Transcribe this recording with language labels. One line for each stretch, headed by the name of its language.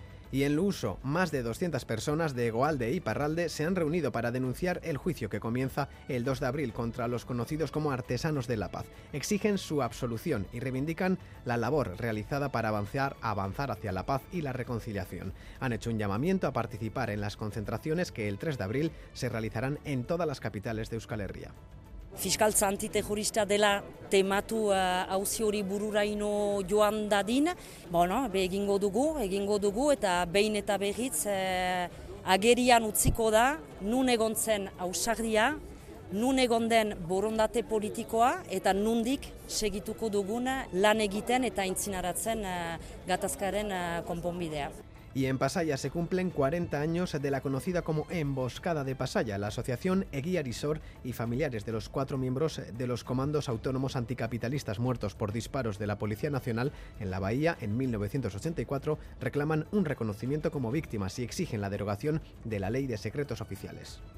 Spanish: Y en Luso, más de 200 personas de Egoalde e Iparralde se han reunido para denunciar el juicio que comienza el 2 de abril contra los conocidos como Artesanos de la Paz. Exigen su absolución y reivindican la labor realizada para avanzar hacia la paz y la reconciliación. Han hecho un llamamiento a participar en las concentraciones que el 3 de abril se realizarán en todas las capitales de Euskal Herria.
Basque: Fiskaltza antiterrorista dela tematu auzi hori bururaino joan dadin, bueno, egingo dugu eta behin eta berriz agerian utziko da nun egon zen ausardia, nun egon den borondate politikoa eta nundik segituko dugun lan egiten eta intzinaratzen gatazkaren konponbidea.
Spanish: Y en Pasaya se cumplen 40 años de la conocida como Emboscada de Pasaya. La asociación Eguía Risor y familiares de los cuatro miembros de los comandos autónomos anticapitalistas muertos por disparos de la Policía Nacional en la Bahía en 1984 reclaman un reconocimiento como víctimas y exigen la derogación de la Ley de Secretos Oficiales.